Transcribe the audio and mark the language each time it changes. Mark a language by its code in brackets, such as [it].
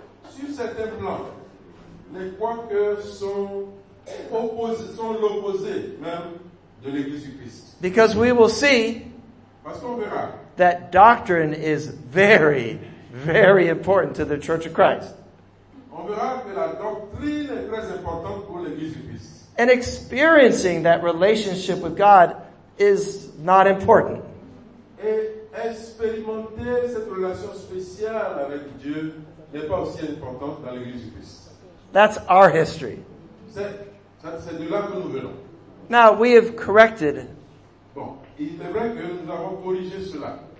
[fr] Sur certains plans, les Quakers sont l'opposé même de l'Église du Christ. [en] Because we will see that doctrine is very, very important to the Church of Christ. [fr] On verra que la doctrine est très importante pour l'Église du Christ. [en] And experiencing that relationship with God is not important. [fr] Et expérimenter cette relation spéciale avec Dieu n'est pas aussi important dans l'Église du Christ. [en] That's our history. [fr] C'est de là que nous venons. [en] Now, we have corrected. [fr] Bon, il est vrai que nous avons corrigé cela.